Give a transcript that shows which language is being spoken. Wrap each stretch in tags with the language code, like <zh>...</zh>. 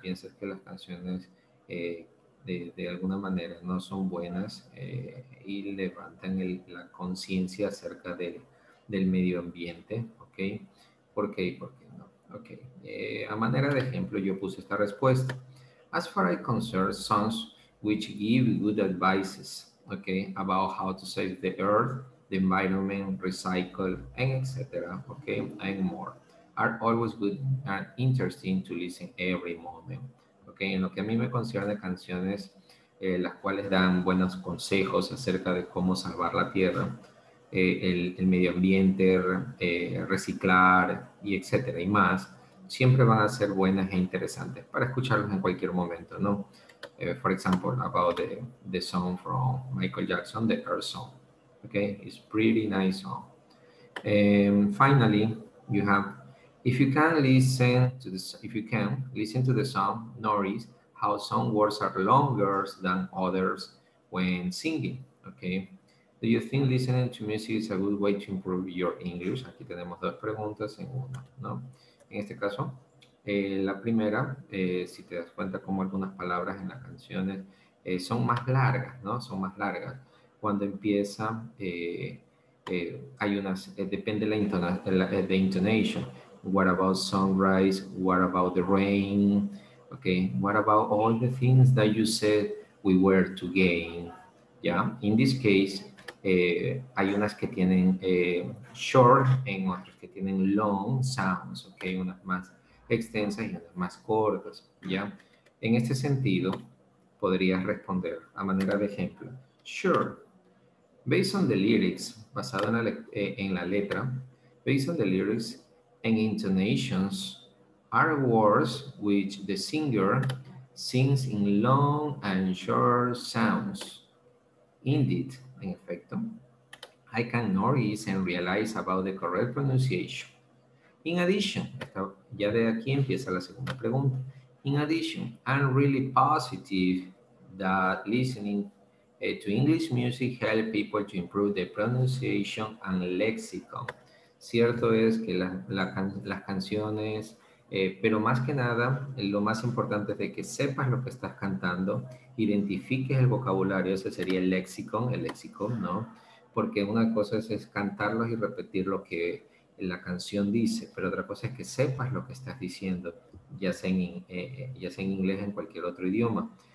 <es>¿Piensas que las canciones de alguna manera no son buenas y levantan la conciencia acerca del medio ambiente? ¿Okay? ¿Por qué y por qué no? Okay. A manera de ejemplo, yo puse esta respuesta.</es> <en>As far as I concern, songs which give good advices, okay, about how to save the earth, the environment, recycle, and etc., okay, and more, are always good and interesting to listen every moment.</en> <es>Okay, en lo que a mí me concierne, canciones las cuales dan buenos consejos acerca de cómo salvar la tierra, el medio ambiente, reciclar y etcétera y más, siempre van a ser buenas e interesantes para escucharlos en cualquier momento, ¿no?</es> <en>For example, about the song from Michael Jackson, The Earth Song. Okay, it's pretty nice song. Finally, you have, If you can listen to the song, notice how some words are longer than others when singing. Okay. Do you think listening to music is a good way to improve your English?</en> <es>Aquí tenemos dos preguntas en una, ¿no? En este caso, la primera, si te das cuenta cómo algunas palabras en las canciones son más largas, ¿no? Son más largas. Cuando empieza, hay unas, depende de la intonation.</es> <en>What about sunrise? What about the rain? Okay, what about all the things that you said we were to gain? Yeah, in this case,</en> <es>hay unas que tienen</es> <en>short and</en> <es>otras que tienen</es> <en>long sounds,</en> <es>okay, unas más extensas y unas más cortas, yeah. En este sentido, podrías responder a manera de ejemplo.</es> <en>Sure, based on the lyrics,</en> <es>basado en la letra,</es> <en>and intonations are words which the singer sings in long and short sounds. Indeed,</en> <es>in efecto,</es> <en>I can notice and realize about the correct pronunciation. In addition,</en> <es>ya de aquí empieza la segunda pregunta.</es> <en>In addition, I'm really positive that listening to English music helps people to improve their pronunciation and lexicon.</en> <es>Cierto es que las canciones Pero más que nada, lo más importante es de que sepas lo que estás cantando, identifiques el vocabulario, ese sería el léxico, ¿no? Porque una cosa es cantarlos y repetir lo que la canción dice, pero otra cosa es que sepas lo que estás diciendo, ya sea en inglés o en cualquier otro idioma.</es>